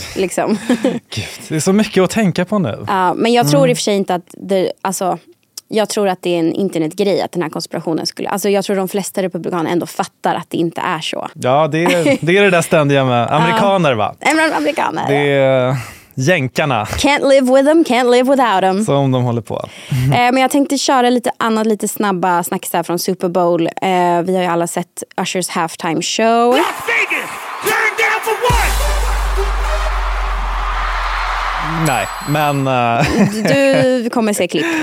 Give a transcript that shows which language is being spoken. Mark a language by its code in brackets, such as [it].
[sv] Liksom. Gud, det är så mycket att tänka på nu. Ja, men jag tror i och för sig inte att det, alltså, jag tror att det är en internetgrej att den här konspirationen skulle, alltså jag tror de flesta republikaner ändå fattar att det inte är så. Ja, det är det där ständiga med amerikaner, va? Amerikaner. Det är jänkarna. [en] Can't live with them, can't live without them. [sv] Som de håller på. Men jag tänkte köra lite annat, lite snabba snacks här från Super Bowl. Vi har ju alla sett Usher's halftime show. Nej, men du kommer se klipp.